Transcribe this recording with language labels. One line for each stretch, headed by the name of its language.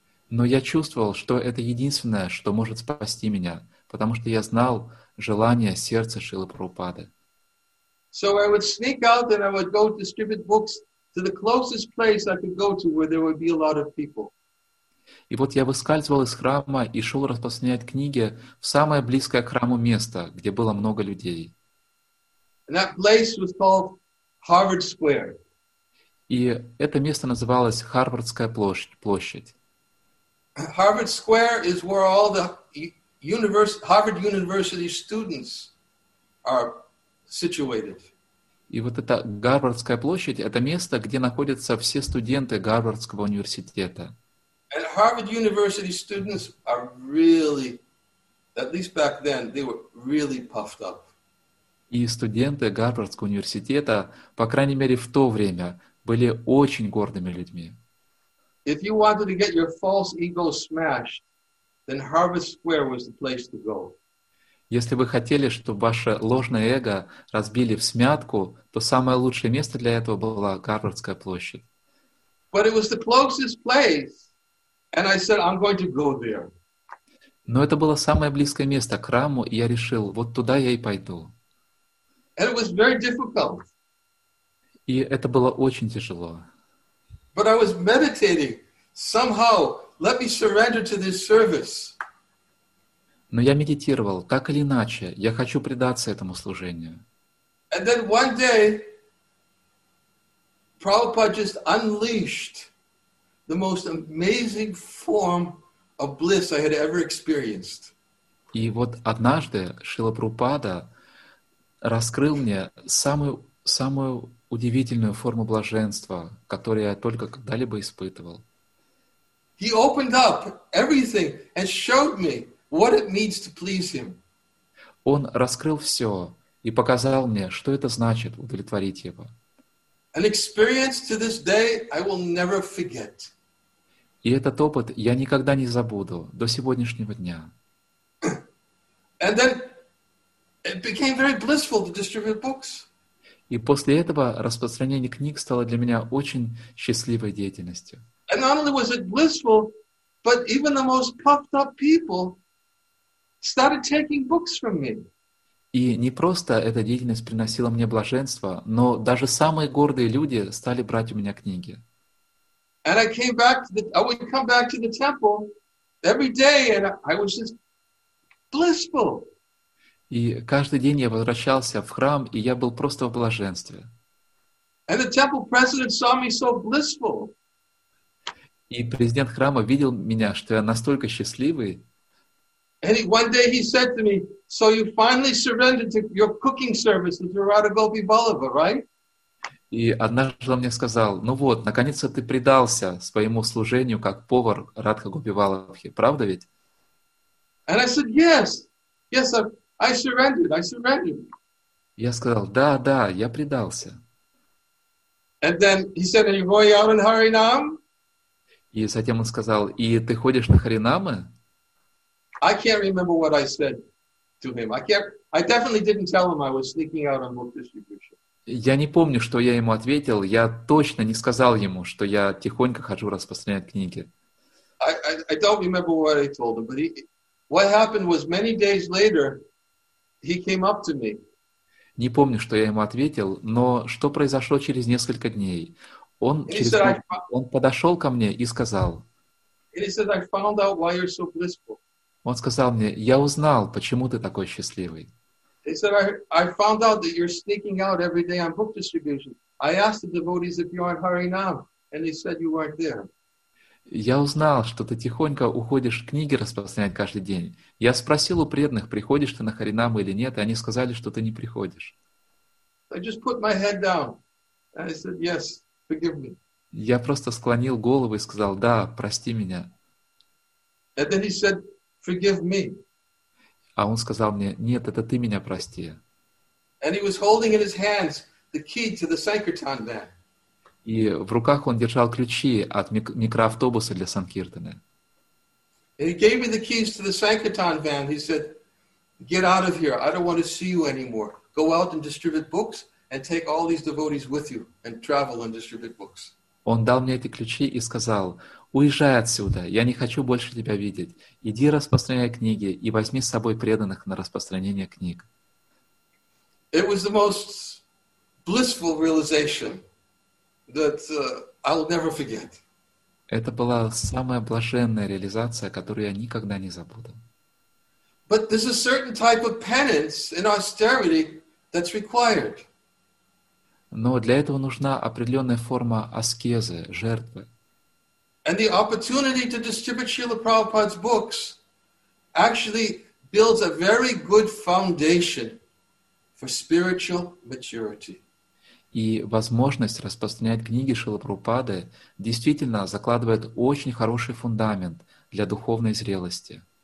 Russian: Но я чувствовал, что это единственное, что может спасти меня, потому что я знал желание сердца Шрилы Прабхупады.
English: So I would sneak out and I would go distribute books to the closest place I could go to where there would be a lot of people.
Russian: И вот я выскальзывал из храма и шел распространять книги в самое близкое к храму место, где было много людей.
English: And that place was called Harvard Square.
Russian: И это место называлось Харвардская площадь.
English: Harvard Square is where all the Harvard University students are situated.
Russian: И вот эта Гарвардская площадь — это место, где находятся все студенты Гарвардского университета.
English: And Harvard University students are really, at least back then, they were really puffed up.
Russian: И студенты Гарвардского университета, по крайней мере в то время, были очень гордыми людьми.
English: If you wanted to get your false ego smashed, then Harvard Square was the place to go.
Russian: Если вы хотели, чтобы ваше ложное эго разбили в смятку, то самое лучшее место для этого была Гарвардская площадь.
English: But it was the closest place. And I said, I'm going to go there.
Russian: Но это было самое близкое место к храму, и я решил, вот туда я и пойду.
English: And it was very difficult.
Russian: И это было очень тяжело.
English: But I was meditating. Somehow, let me surrender to this service.
Russian: Но я медитировал, так или иначе, я хочу предаться этому служению.
English: And then one day, Prabhupada just unleashed the most amazing form of bliss I had ever experienced.
Russian: И вот однажды Шрила Прабхупада раскрыл мне самую удивительную форму блаженства, которую я только когда-либо испытывал.
English: He opened up everything and showed me what it means to please him.
Russian: Он раскрыл все и показал мне, что это значит удовлетворить его.
English: An experience to this day I will never forget.
Russian: И этот опыт я никогда не забуду до сегодняшнего дня.
English: And then it became very blissful to distribute books.
Russian: И после этого распространение книг стало для меня очень счастливой деятельностью.
English: And not only was it blissful, but even the most puffed up people started taking books from me.
Russian: И не просто эта деятельность приносила мне блаженство, но даже самые гордые люди стали брать у меня книги.
English: And I would come back to the temple every day, and I was just blissful.
Russian: И каждый день я возвращался в храм, и я был просто в блаженстве.
English: And the temple president saw me so blissful.
Russian: И президент храма видел меня, что я настолько счастливый.
English: And one day he said to me, "So you finally surrendered to your cooking service at Radha Gopi Vallabha, right?"
Russian: И однажды он мне сказал, "Ну вот, наконец-то ты предался своему служению как повар Радха Гопи Валлабхи, правда ведь?"
English: And I said, "Yes, yes, I surrendered."
Russian: Я сказал, "Да, да, я предался."
English: And then he said, "Are you going out in Харинам?"
Russian: И затем он сказал, "И ты ходишь на Харинамы?"
English: I can't remember what I said to him. I definitely didn't tell him I was sneaking out on book distribution.
Russian: Я не помню, что я ему ответил. Я точно не сказал ему, что я тихонько хожу распространять книги.
English: I don't remember what I told him, but what happened was many days later he came up to me.
Russian: Не помню, что я ему ответил, но что произошло через несколько дней? Он подошел ко мне и сказал.
English: And he said, "I found out why you're so blissful."
Russian: Он сказал мне, я узнал, почему ты такой счастливый.
English: He said, I found out that you're sneaking out every day on book distribution. I asked the devotees if you're on Harinam, and they said you weren't there.
Russian: Я узнал, что ты тихонько уходишь книги распространять каждый день. Я спросил у преданных, приходишь ты на Харинам или нет, и они сказали, что ты не приходишь.
English: I just put my head down, and I said, "Yes, forgive me."
Russian: Я просто склонил голову и сказал, да, прости меня.
English: And then he said, "Forgive me."
Russian: А он сказал мне, нет, это ты меня прости.
English: And he was holding in his hands the key to the Sankirtan van.
Russian: И в руках он держал ключи от микроавтобуса для Санкиртаны.
English: And he gave me the keys to the Sankirtan van. He said, "Get out of here. I don't want to see you anymore. Go out and distribute books and take all these devotees with you and travel and distribute books."
Russian: Он дал мне эти ключи и сказал, уезжай отсюда, я не хочу больше тебя видеть. Иди распространяй книги и возьми с собой преданных на распространение книг.
English: It was the most blissful realization that I'll never forget.
Russian: Это была самая блаженная реализация, которую я никогда не забуду.
English: But there's a certain type of penance and austerity that's required.
Russian: Но для этого нужна определенная форма аскезы, жертвы.
English: And the opportunity to distribute Srila Prabhupada's books actually builds a very good foundation for spiritual maturity.
Russian: И возможность распространять книги Шрилы Прабхупады действительно закладывает очень хороший фундамент для духовной зрелости.